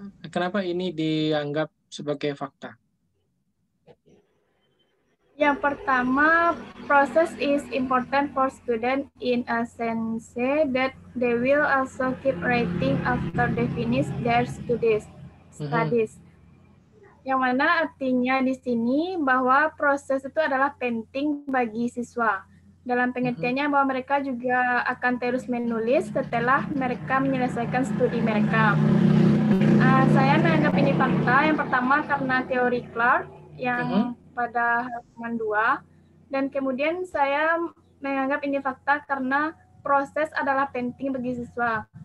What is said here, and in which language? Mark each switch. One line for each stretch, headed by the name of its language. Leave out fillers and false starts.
Indonesian: Kenapa ini dianggap sebagai fakta? Yang pertama,
English: process is important for student in a sense that they will also keep writing after they finish their studies.
Indonesian: Yang mana artinya di sini bahwa proses itu adalah penting bagi siswa. Dalam pengertiannya bahwa mereka juga akan terus menulis setelah mereka menyelesaikan studi mereka. Saya menganggap ini fakta, yang pertama karena teori Clark yang pada halaman 2, dan kemudian saya menganggap ini fakta karena proses adalah penting bagi siswa.